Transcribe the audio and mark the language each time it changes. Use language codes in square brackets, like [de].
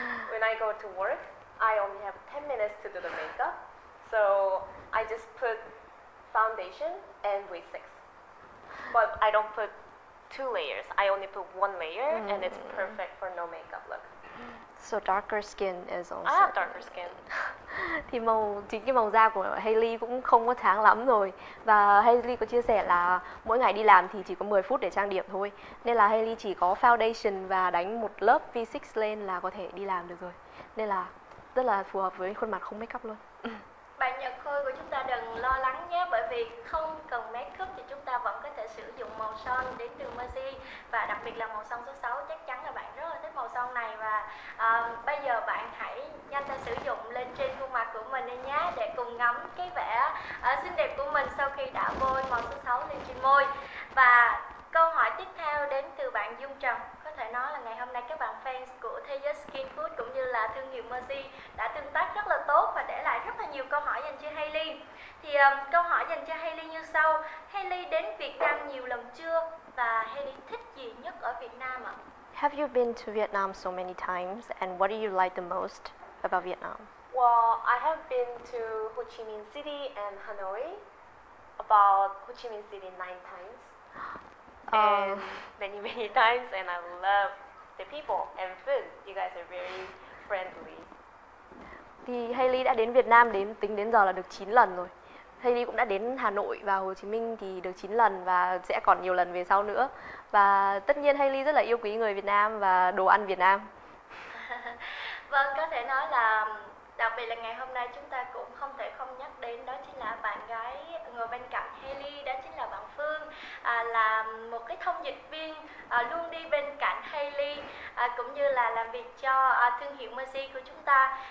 [en] When I go to work, I only have 10 minutes to do the makeup. So I just put foundation and V6. But I don't put two layers. I only put one layer, and it's perfect for no makeup look. So darker skin is also. I have darker skin. [vi] Thì màu, thì cái màu da của Hailey cũng không có sáng lắm rồi. Và Hailey có chia sẻ là mỗi ngày đi làm thì chỉ có 10 phút để trang điểm thôi. Nên là Hailey chỉ có foundation và đánh một lớp V6 lên là có thể đi làm được rồi. Nên là rất là phù hợp với khuôn mặt không make up luôn. Bạn Nhật Khôi của chúng ta đừng lo lắng nhé, bởi vì không cần make up thì chúng ta vẫn có thể sử dụng màu son đến từ Mercy. Và đặc biệt là màu son số 6, chắc chắn là bạn rất là thích màu son này. Và bây giờ bạn hãy nhanh tay sử dụng lên trên khuôn mặt của mình đi nhé, để cùng ngắm cái vẻ xinh đẹp của mình sau khi đã bôi màu số 6 lên trên môi. Và câu hỏi tiếp theo đến từ bạn Dung Trần. Có thể nói là ngày hôm nay các bạn fans của Thế Giới Skin Food cũng như là thương hiệu Mercy đã tương tác rất là tốt và để lại rất là nhiều câu hỏi dành cho Hailey. Thì câu hỏi dành cho Hailey như sau: Hailey đến Việt Nam nhiều lần chưa và Hailey thích gì nhất ở Việt Nam ạ? [en] Have you been to Vietnam so many times and what do you like the most about Vietnam? Well, I have been to Ho Chi Minh City and Hanoi, about Ho Chi Minh City 9 times. And many times, and I love the people and food. You guys are very friendly. [vi] thì Hailey đã đến Việt Nam đến tính đến giờ là được 9 lần rồi. Hailey cũng đã đến Hà Nội và Hồ Chí Minh thì được 9 lần và sẽ còn nhiều lần về sau nữa. Và tất nhiên Hailey rất là yêu quý người Việt Nam và đồ ăn Việt Nam. Vâng, có thể nói là đặc biệt là ngày hôm nay chúng ta cũng không thể không nhắc đến đó chính là bạn gái ngồi bên cạnh Hailey, đó chính là bạn Phương, là một cái thông dịch viên luôn đi bên cạnh Hailey cũng như là làm việc cho thương hiệu Mercy của chúng ta.